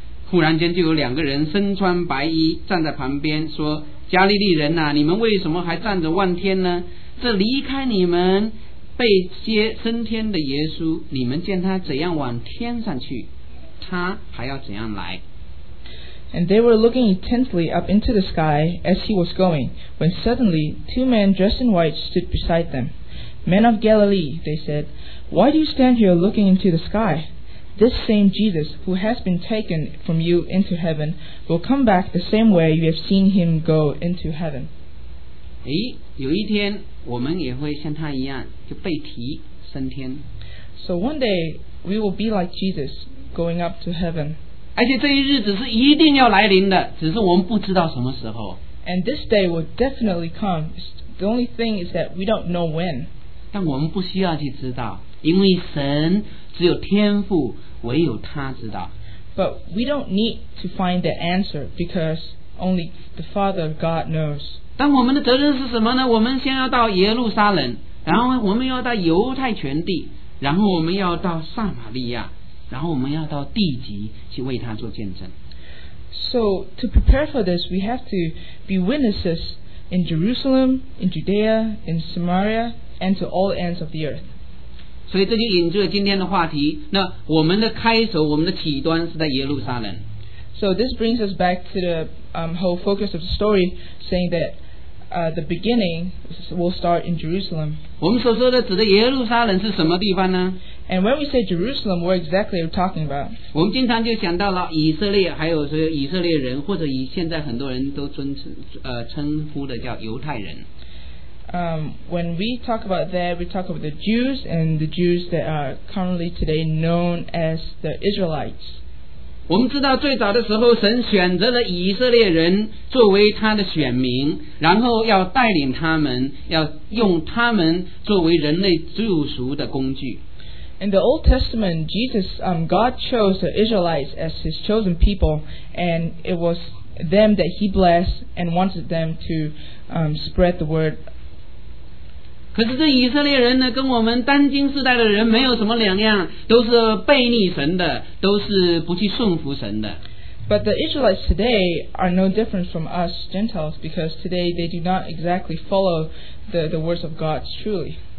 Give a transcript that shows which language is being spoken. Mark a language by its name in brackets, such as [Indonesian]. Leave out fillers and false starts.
[Chinese] 忽然间就有两个人身穿白衣站在旁边说，加利利人啊，你们为什么还站着望天呢？这离开你们被接升天的耶稣，你们见他怎样往天上去，他还要怎样来。 [English] And they were looking intently up into the sky as he was going, when suddenly two men dressed in white stood beside them. Men of Galilee, they said, why do you stand here looking into the sky? This same Jesus, who has been taken from you into heaven, will come back the same way you have seen him go into heaven. [Chinese] 诶，有一天我们也会像他一样就被提升天。 [English] So one day we will be like Jesus going up to heaven. [Chinese] 而且这一日子是一定要来临的，只是我们不知道什么时候。 [English] And this day will definitely come. The only thing is that we don't know when. [Chinese] 但我们不需要去知道，因为神只有天父，唯有他知道。 [English] But we don't need to find the answer because only the Father God knows. [Chinese] 但我们的责任是什么呢？我们先要到耶路撒冷，然后我们要到犹太全地，然后我们要到撒玛利亚。然后我们要到地极去为他做见证。 [English] So to prepare for this, we have to be witnesses in Jerusalem, in Judea, in Samaria, and to all ends of the earth. [Chinese] 所以这就引出了今天的话题。那我们的开头，我们的起端是在耶路撒冷。 [English] So this brings us back to the whole focus of the story, saying that the beginning will start in Jerusalem. [Chinese] 我们所说的指的耶路撒冷是什么地方呢？ [English] And when we say Jerusalem, what exactly are we talking about? [Chinese] 我们经常就想到了以色列，还有说以色列人，或者以现在很多人都称呼的叫犹太人。 [English] When we talk about that, we talk about the Jews and the Jews that are currently today known as the Israelites. [Chinese] 我们知道最早的时候，神选择了以色列人作为他的选民，然后要带领他们，要用他们作为人类救赎的工具。 [English] In the Old Testament, Jesus, God chose the Israelites as his chosen people, and it was them that he blessed and wanted them to spread the word. [Chinese] 可是这以色列人呢，跟我们当今世代的人没有什么两样，都是背逆神的，都是不去顺服神的。 [English] But the Israelites today are no different from us Gentiles, because today they do not exactly follow the words of God truly.